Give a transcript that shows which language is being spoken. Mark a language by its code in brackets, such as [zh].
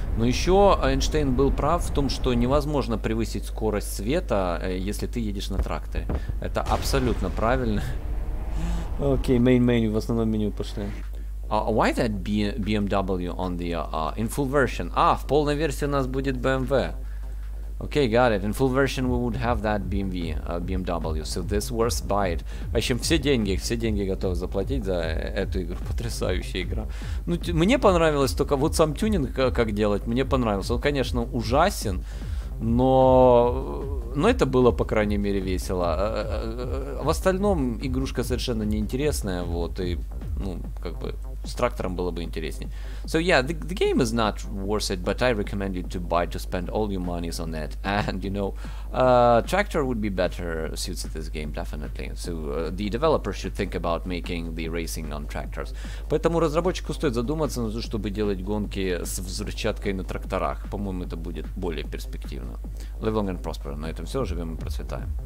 [ru] Но еще Эйнштейн был прав в том, что невозможно превысить скорость света, если ты едешь на тракторе. Это абсолютно правильно. [en] Okay, main menu, [ru] в основном меню пошли. [en] Why that BMW on the in full version? [ru] Ah, в полной версии у нас будет BMW. [en] Okay, got it. In full version we would have that BMW. So this worth buy it. [ru] В общем, все деньги готовы заплатить за эту игру. Потрясающая игра. Ну, мне понравилось только вот сам тюнинг, как делать, мне понравился. Он, конечно, ужасен. Но это было, по крайней мере, весело. В остальном игрушка совершенно неинтересная, вот, и, ну, как бы, С трактором было бы интереснее. [en] So yeah, the game is not worth it, but I recommend you to buy to spend all your monies on it. And you know, tractor would be better suits this game definitely. So the developer should think about making the racing on tractors. [ru] Поэтому разработчику стоит задуматься над тем, чтобы делать гонки с взрывчаткой на тракторах. По-моему, это будет более перспективно. [en] Live long and prosper. [ru] На этом все. Живем и процветаем.